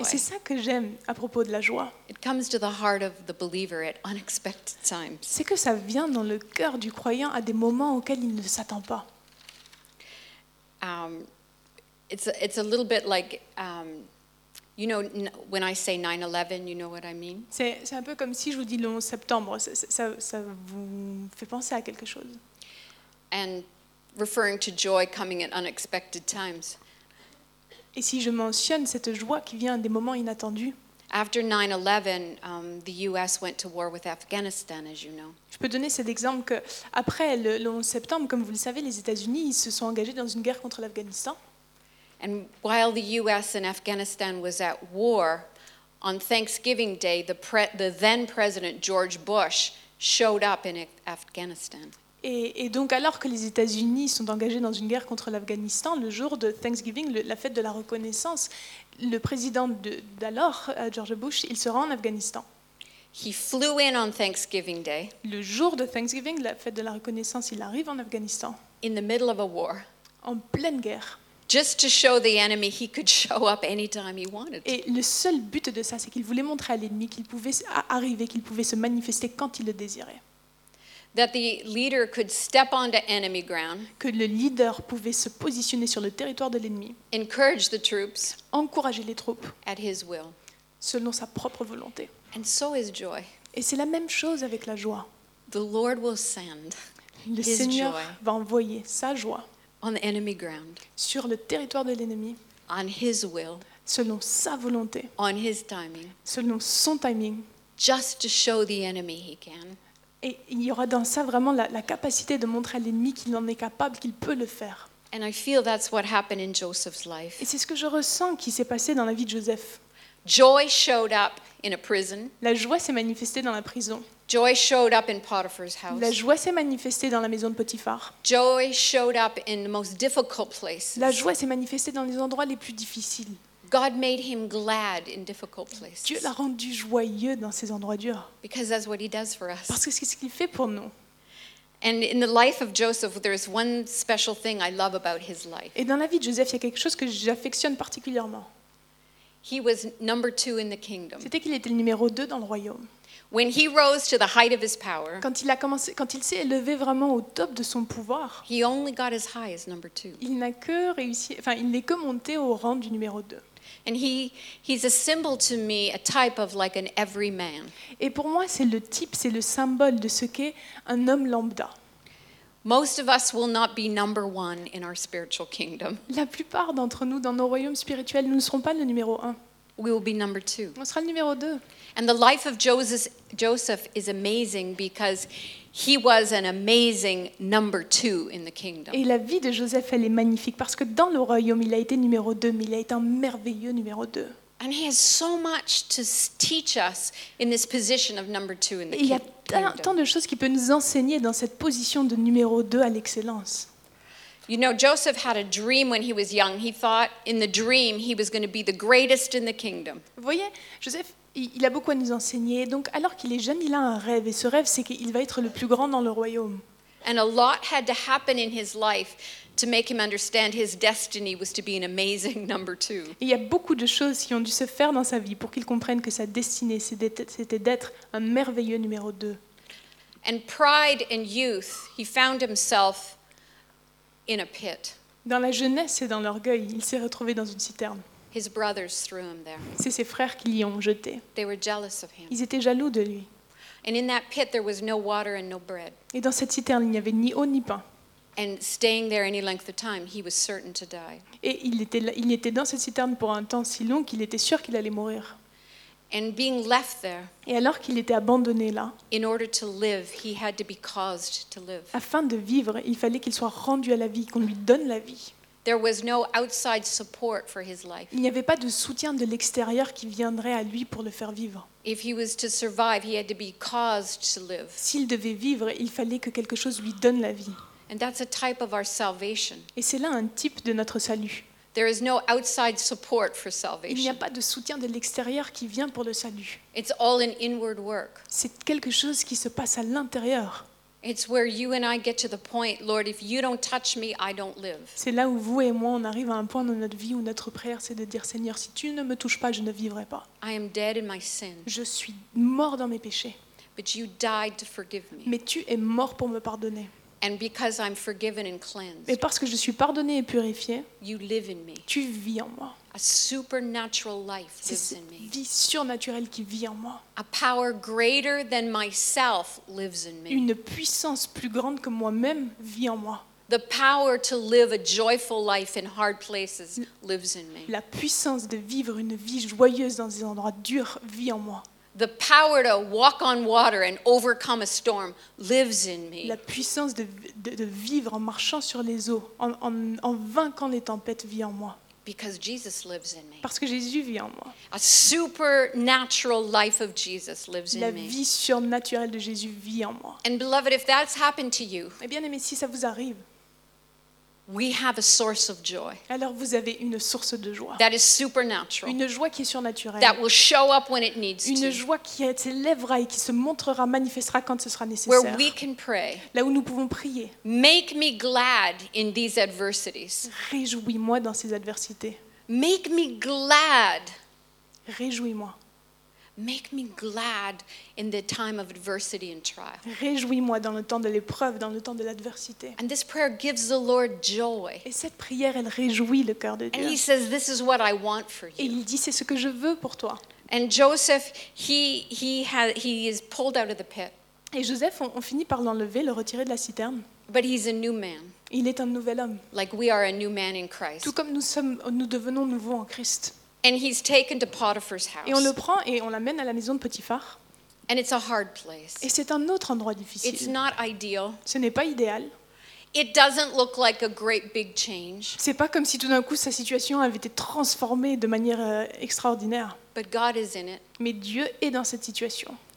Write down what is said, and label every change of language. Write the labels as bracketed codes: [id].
[fr] Et c'est ça que j'aime à propos de la joie. [en] It comes to the heart of the believer at unexpected times. [fr] C'est que ça vient dans le cœur du croyant à des moments auxquels il ne s'attend pas. [en] It's a little bit like, you know, when I say 9/11, you know what I mean? [fr] C'est un peu comme si je vous dis le 11 septembre. Ça vous fait penser à quelque chose. [en] And referring to joy coming at unexpected times. [fr] Et si je mentionne cette joie qui vient à des moments inattendus. [en] After 9/11, the US went to war with Afghanistan, as you know. [fr] Je peux donner cet exemple que après le 11 septembre, comme vous le savez, les États-Unis se sont engagés dans une guerre contre l'Afghanistan. [en] And while the US and Afghanistan was at war, on Thanksgiving Day, the then president George Bush showed up in Afghanistan. [fr] Et donc, alors que les États-Unis sont engagés dans une guerre contre l'Afghanistan, le jour de Thanksgiving, la fête de la reconnaissance, le président d'alors, George Bush, il se rend en Afghanistan. [en] He flew in on Thanksgiving Day. [fr] Le jour de Thanksgiving, la fête de la reconnaissance, il arrive en Afghanistan. [en] In the middle of a war. [fr] En pleine guerre. [en] Just to show the enemy he could show up anytime he wanted. [fr] Et le seul but de ça, c'est qu'il voulait montrer à l'ennemi qu'il pouvait arriver, qu'il pouvait se manifester quand il le désirait. [en] That the leader could step onto enemy ground, [fr] que le leader pouvait se positionner sur le territoire de l'ennemi, [en] encourage the troops, [fr] encourager les troupes, [en] at his will, [fr] selon sa propre volonté. [en] And so is joy. [fr] Et c'est la même chose avec la joie. [en] The Lord will send [fr] le [en] his [fr] Seigneur [en] joy [fr] va envoyer sa joie [en] on the enemy ground, [fr] sur le territoire de l'ennemi, [en] on his will, [fr] selon sa volonté, [en] on his timing, [fr] selon son timing, [en] just to show the enemy he can. [fr] Et il y aura dans ça vraiment la capacité de montrer à l'ennemi qu'il en est capable, qu'il peut le faire. [en] And I feel that's what happened in Joseph's life. [fr] Et c'est ce que je ressens qui s'est passé dans la vie de Joseph. [en] Joy showed up in a prison. [fr] La joie s'est manifestée dans la prison. [en] Joy showed up in Potiphar's house. [fr] La joie s'est manifestée dans la maison de Potiphar. [en] Joy showed up in the most difficult places. [fr] La joie s'est manifestée dans les endroits les plus difficiles. [en] God made him glad in difficult places. [fr] Dieu l'a rendu joyeux dans ces endroits durs. [en] Because that's what he does for us. [fr] Parce que c'est ce qu'il fait pour nous. [en] And in the life of Joseph, there is one special thing I love about his life. [fr] Et dans la vie de Joseph, il y a quelque chose que j'affectionne particulièrement. [en] He was number two in the kingdom. [fr] C'était qu'il était le numéro 2 dans le royaume. [en] When he rose to the height of his power, [fr] quand il s'est élevé vraiment au top de son pouvoir, [en] he only got as high as number two. [fr] Il n'a que réussi, enfin, il n'est que monté au rang du numéro 2. [en] And he's a symbol to me, a type of like an everyman. [fr] Et pour moi, c'est le type, c'est le symbole de ce qu'est un homme lambda. [en] Most of us will not be number one in our spiritual kingdom. [fr] La plupart d'entre nous, dans nos royaumes spirituels, nous ne serons pas le numéro 1. [en] We will be number two. [fr] On sera le numéro 2. [en] And the life of Joseph is amazing because he was an amazing number two in the kingdom. [fr] Et la vie de Joseph, elle est magnifique parce que dans le royaume, il a été numéro 2, mais il a été un merveilleux numéro 2. [en] And he has so much to teach us in this position of number two in the kingdom. [fr] Et il y a tant de choses qu'il peut nous enseigner dans cette position de numéro 2 à l'excellence. [en] You know, Joseph had a dream when he was young. He thought in the dream he was going to be the greatest in the kingdom. [fr] Vous voyez, Joseph, il a beaucoup à nous enseigner. Donc, alors qu'il est jeune, il a un rêve. Et ce rêve, c'est qu'il va être le plus grand dans le royaume. [en] And a lot had to happen in his life to make him understand his destiny was to be an amazing number two. [fr] Il y a beaucoup de choses qui ont dû se faire dans sa vie pour qu'il comprenne que sa destinée, c'était d'être un merveilleux numéro 2. [en] And pride and youth, he found himself in a pit. [fr] Dans la jeunesse et dans l'orgueil, il s'est retrouvé dans une citerne. [en] His brothers threw him there. [fr] C'est ses frères qui l'y ont jeté. [en] They were jealous of him. [fr] Ils étaient jaloux de lui. [en] And in that pit, there was no water and no bread. [fr] Et dans cette citerne, il n'y avait ni eau ni pain. [en] And staying there any length of time, he was certain to die. [fr] Et il était dans cette citerne pour un temps si long qu'il était sûr qu'il allait mourir. [en] And being left there, [fr] et alors qu'il était abandonné là, [en] in order to live, he had to be caused to live. [fr] Afin de vivre, il fallait qu'il soit rendu à la vie, qu'on lui donne la vie. [en] There was no outside support for his life. [fr] Il n'y avait pas de soutien de l'extérieur qui viendrait à lui pour le faire vivre. [en] If he was to survive, he had to be caused to live. [fr] S'il devait vivre, il fallait que quelque chose lui donne la vie. [en] And that's a type of our salvation. [fr] Et c'est là un type de notre salut. [en] There is no outside support for salvation. [fr] Il n'y a pas de soutien de l'extérieur qui vient pour le salut. [en] It's all an inward work. [fr] C'est quelque chose qui se passe à l'intérieur. [en] It's where you and I get to the point, Lord, if you don't touch me, I don't live. [fr] C'est là où vous et moi on arrive à un point dans notre vie où notre prière c'est de dire Seigneur, si tu ne me touches pas, je ne vivrai pas. [en] I am dead in my sin. [fr] Je suis mort dans mes péchés. [en] But you died to forgive me. [fr] Mais tu es mort pour me pardonner. [en] And because I'm forgiven and cleansed. [fr] Et parce que je suis pardonné et purifié. [en] You live in me. [fr] Tu vis en moi. [en] A supernatural life lives in me. [fr] C'est une vie surnaturelle qui vit en moi. [en] A power greater than myself lives in me. [fr] Une puissance plus grande que moi-même vit en moi. [en] The power to live a joyful life in hard places lives in me. [fr] La puissance de vivre une vie joyeuse dans des endroits durs vit en moi. [en] The power to walk on water and overcome a storm lives in me. [fr] La puissance de vivre en marchant sur les eaux, en vainquant les tempêtes vit en moi. [en] Because Jesus lives in me. [fr] Parce que Jésus vit en moi. [en] A supernatural life of Jesus lives in me. [fr] La vie surnaturelle de Jésus vit en moi. [en] And beloved, if that's happened to you, [fr] et bien aimé, si ça vous arrive, [en] we have a source of joy. [fr] Alors vous avez une source de joie. [en] That is supernatural. [fr] Une joie qui est surnaturelle. [en] That will show up when it needs to. [fr] Une joie qui s'élèvera et qui se montrera, manifestera quand ce sera nécessaire. [en] Where we can pray. [fr] Là où nous pouvons prier. [en] Make me glad in these adversities. [fr] Réjouis-moi dans ces adversités. [en] Make me glad. [fr] Réjouis-moi. [en] Make me glad in the time of adversity and trial. [fr] Réjouis-moi dans le temps de l'épreuve, dans le temps de l'adversité. [en] And this prayer gives the Lord joy. [fr] Et cette prière, elle réjouit le cœur de Dieu. [en] And he says, "This is what I want for you." [fr] Et il dit, c'est ce que je veux pour toi. [en] And Joseph, he is pulled out of the pit. [fr] Et Joseph, on finit par l'enlever, le retirer de la citerne. [en] But he's a new man. [fr] Il est un nouvel homme. [en] Like we are a new man in Christ. [fr] Tout comme nous devenons nouveaux en Christ. [en] And he's taken to Potiphar's house. [fr] Et on le prend et on l'amène à la maison de Potiphar. [en] And it's a hard place. [fr] Et c'est un autre endroit difficile. [en] It's not ideal. [fr] Ce n'est pas idéal. [en] It doesn't look like a great big change. [fr] C'est pas comme si tout d'un coup sa situation avait été transformée de manière extraordinaire. [en] But God is in it. [fr] Mais Dieu est dans cette situation.